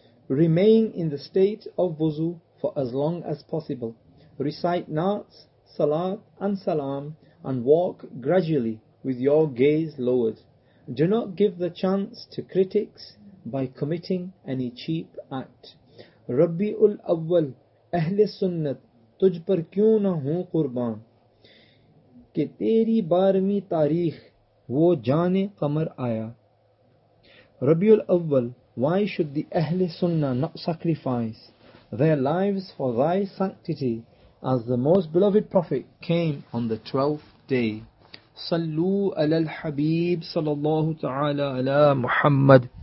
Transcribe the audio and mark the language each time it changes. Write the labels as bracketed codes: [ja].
[en] Remain in the state of wuzu for as long as possible. Recite naats, salat and salam and walk gradually with your gaze lowered. Do not give the chance to critics by committing any cheap act. [ur] Rabi ul-Awwal, Ahle Sunnat, تجھ پر کیوں نہ ہوں قربان کہ تیری بارہویں تاریخ وہ جانِ قمر آیا. [en] ربیع الاول, why should the اہل سنہ not sacrifice their lives for thy sanctity as the most beloved prophet came on the 12th day. [ar] صلو علی الحبیب صلی اللہ تعالی علی محمد.